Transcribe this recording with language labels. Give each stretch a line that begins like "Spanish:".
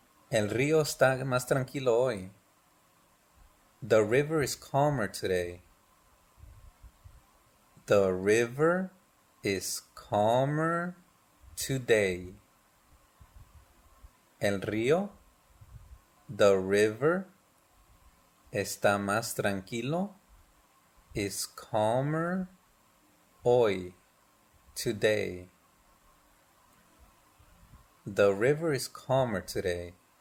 Spanish: El río está más tranquilo hoy.
English: The river is calmer today. The river is calmer today.
Spanish: El río,
English: the river,
Spanish: está más tranquilo,
English: is calmer
Spanish: hoy,
English: today. The river is calmer today.